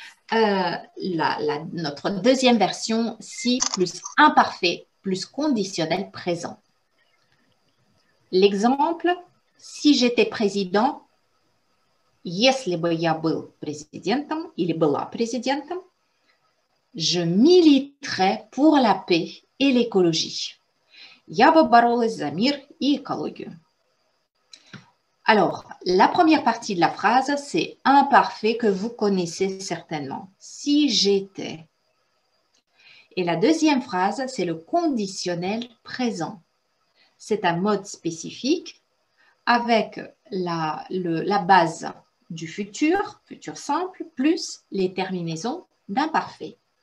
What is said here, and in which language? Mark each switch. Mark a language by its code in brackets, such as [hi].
[fr] Notre deuxième version, si plus imparfait plus conditionnel présent. L'exemple. Si j'étais président, [ru] если бы я был президентом, или была президентом, [fr] je militerais pour la paix et l'écologie. [ru] Я бы боролась за мир и экологию. [fr] Alors, la première partie de la phrase, c'est imparfait que vous connaissez certainement. Si j'étais. Et la deuxième phrase, c'est le conditionnel présent. C'est un mode spécifique. Avec la base du futur simple, plus les terminaisons d'imparfait.